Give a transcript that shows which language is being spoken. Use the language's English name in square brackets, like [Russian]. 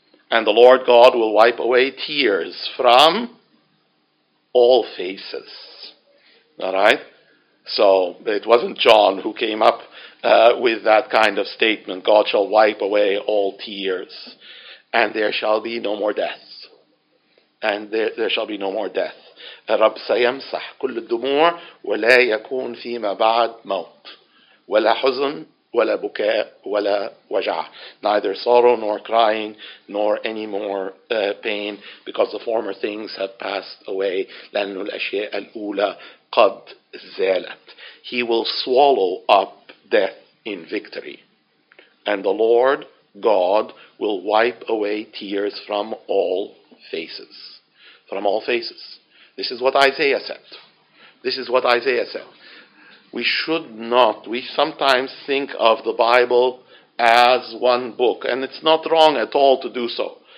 [English] And the Lord God will wipe away tears from all faces. All right? So it wasn't John who came up with that kind of statement. God shall wipe away all tears, and there shall be no more death. And there shall be no more death. [Arabic] رب سيمسح كل الدموع ولا يكون فيما بعد موت ولا حزن ولا بكاء ولا وجع. [English] Neither sorrow nor crying nor any more pain, because the former things have passed away. [Arabic] لأن الأشياء الأولى قد زالت. [English] He will swallow up death in victory, and the Lord God will wipe away tears from all faces. From all faces. This is what Isaiah said. This is what Isaiah said. We should not, we sometimes think of the Bible as one book, and it's not wrong at all to do so.